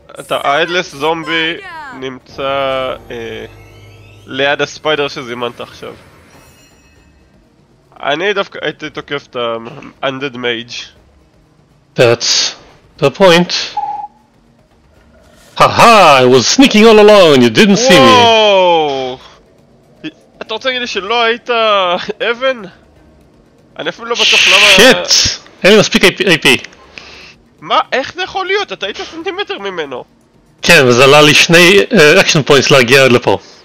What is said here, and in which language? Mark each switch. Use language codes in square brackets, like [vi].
[he] ההדלס זומבי נמצא ליד הספיידר שזימנת עכשיו. אני דווקא הייתי תוקף את ה-Undead Mage. [en] That's the point. Haha, I was sneaking all along, you didn't see me. [he] אתה רוצה להגיד לי שלא היית אבן? אני אפילו לא בטוח למה... שיט! אין לי מספיק AP. מה? איך זה יכול להיות? אתה היית סנטימטר ממנו. כן, וזה עלה לי שני אקשן פוינטס להגיע עד לפה.